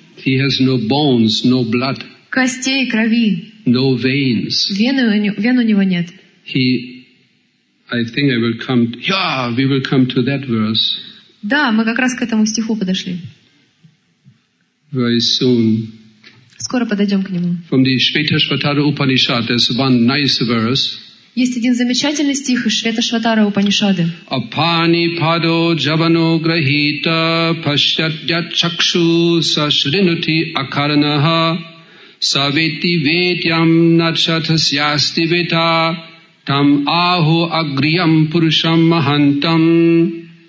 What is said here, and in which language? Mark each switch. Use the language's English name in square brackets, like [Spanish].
[English] He has no bones, no blood. [Russian] Костей, крови. [English] No veins. [Russian] Вен у него нет. [English] We will come to that verse. [Russian] Да, мы как раз к этому стиху подошли. [English] Very soon. [Russian] Скоро подойдем к нему. [English] From the Shvetashvatara Upanishad, there's one nice verse. [Russian] Есть один замечательный стих из Шветашватары Упанишады. [Sanskrit] Апани падо джавано грахита пашчатья чакшу са шринути акаранаха са вети ветям начатасьясти вета там аху агриям пурушам махантам.